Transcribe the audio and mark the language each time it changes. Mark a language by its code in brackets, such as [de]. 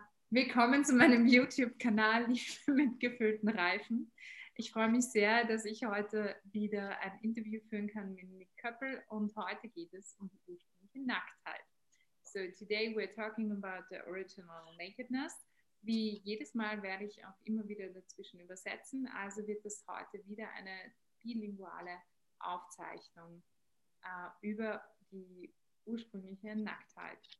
[de] Willkommen zu meinem YouTube-Kanal, Liebe mit gefüllten Reifen. Ich freue mich sehr, dass ich heute wieder ein Interview führen kann mit Nick Köppel und heute geht es um die ursprüngliche Nacktheit. [en] So, today we're talking about the original nakedness. [de] Wie jedes Mal werde ich auch immer wieder dazwischen übersetzen, also wird es heute wieder eine bilinguale Aufzeichnung über die ursprüngliche Nacktheit.